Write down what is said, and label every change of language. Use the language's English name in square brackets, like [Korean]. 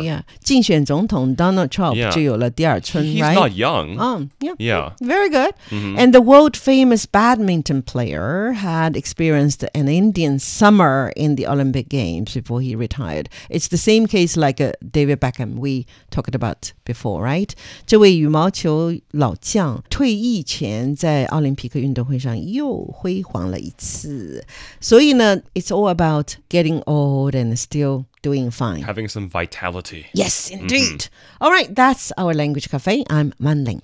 [English] Yeah, yeah. [Chinese] 竞选总统 Donald Trump 就有了第二春, [English] he's right? He's not young. Oh, yeah. Yeah. Very good. Mm-hmm. And the world famous badminton player had experienced an Indian summer in the Olympic Games before he retired. It's the same case like David Beckham we talked about before, right? [Chinese] 这位羽毛球老将退役前在奥林匹克运动会上又辉煌了一次。 [English] So, you know, it's all about getting old and still doing fine. Having some vitality. Yes, indeed. Mm-hmm. All right, that's our Language Cafe. I'm Manling.